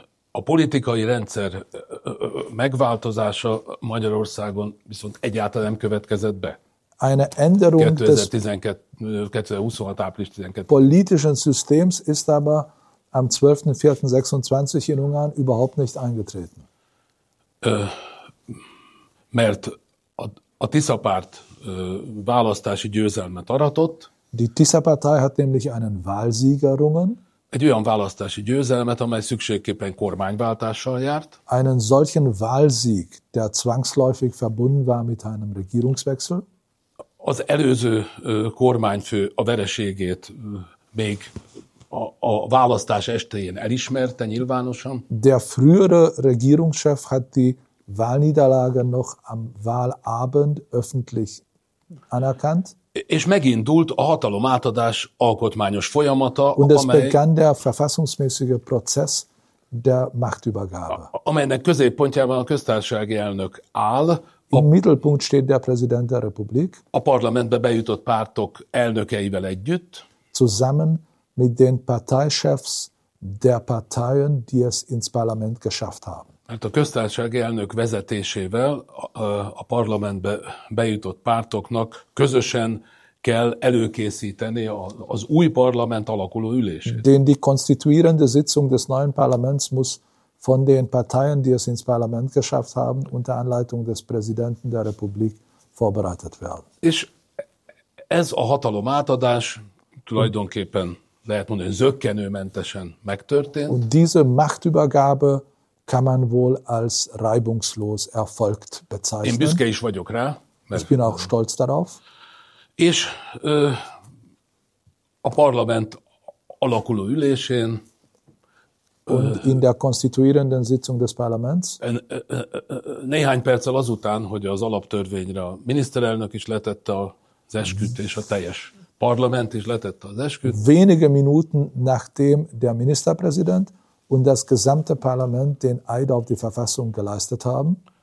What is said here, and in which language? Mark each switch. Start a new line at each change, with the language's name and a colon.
Hungarian: A politikai rendszer megváltozása Magyarországon viszont egyáltalán nem következett be.
German: Eine Änderung
Hungarian: 2026. április 12.
German: politischen Systems ist aber am 12.04.26 in Ungarn überhaupt nicht eingetreten.
Hungarian: Mert a Tiszapárt választási győzelmet aratott.
German: Die Tisza-Partei hat nämlich einen Wahlsieg errungen.
Hungarian: Egy olyan választási győzelmet, amely szükségképpen kormányváltással járt.
German: Einen solchen Wahlsieg, der zwangsläufig verbunden war mit einem Regierungswechsel.
Hungarian: Az előző kormányfő a vereségét még a választás estején elismerte nyilvánosan.
German: Der frühere Regierungschef hat die Wahlniederlage noch am Wahlabend öffentlich anerkannt.
Hungarian: És megindult a hatalom átadás alkotmányos folyamata,
German: und es begann der verfassungsmäßige Prozess der Machtübergabe.
Hungarian: Amelynek középpontjában a köztársasági elnök áll.
German: Im Mittelpunkt steht der Präsident der Republik.
Hungarian: A parlamentbe bejutott pártok elnökeivel együtt.
German: Zusammen mit den Parteichefs der Parteien, die es ins Parlament geschafft haben.
Hungarian: Mert a köztársasági elnök vezetésével a parlamentbe bejutott pártoknak közösen kell előkészíteni az új parlament alakuló ülését.
German: Denn die konstituierende Sitzung des neuen Parlaments muss von den Parteien, die es ins Parlament geschafft haben, unter Anleitung des Präsidenten der Republik vorbereitet werden.
Hungarian: És ez a hatalom átadás tulajdonképpen lehet mondani, hogy zökkenőmentesen megtörtént.
German: Und diese Machtübergabe kann man wohl als reibungslos erfolgt bezeichnen.
Hungarian: Én büszke is vagyok rá. Mert
German: ich bin auch stolz darauf.
Hungarian: És a parlament alakuló ülésén
German: und in der konstituierenden Sitzung des Parlaments
Hungarian: néhány perccel azután, hogy az alaptörvényre a miniszterelnök is letette az esküt és a teljes parlament is letette az esküt.
German: Wenige Minuten nachdem der Ministerpräsident und das gesamte Parlament den Eid auf die Verfassung geleistet haben.